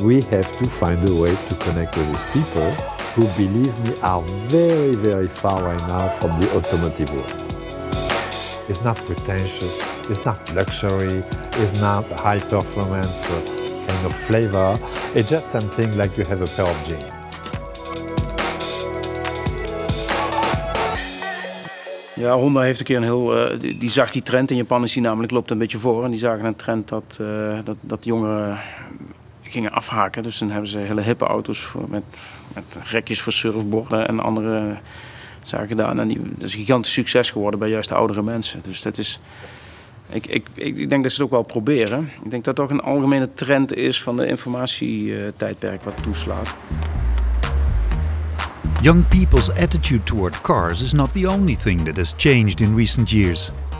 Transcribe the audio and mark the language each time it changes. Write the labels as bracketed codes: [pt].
[en] We have to find a way to connect with these people who, believe me, are very, very far right now from the automotive world. It's not pretentious, it's not luxury, it's not high performance kind of flavor. It's just something like you have a pair of jeans. [nl] Ja, Honda heeft een keer een heel. Die zag die trend in Japan, is die namelijk loopt een beetje voor. En die zagen een trend dat jongeren gingen afhaken. Dus dan hebben ze hele hippe auto's met rekjes voor surfborden en andere zaken gedaan. En dat is een gigantisch succes geworden bij juist de oudere mensen. Dus dat is. Ik denk dat ze het ook wel proberen. Ik denk dat het toch een algemene trend is van de informatietijdperk wat toeslaat. [en] Young people's attitude toward cars is not the only thing that has changed in recent years.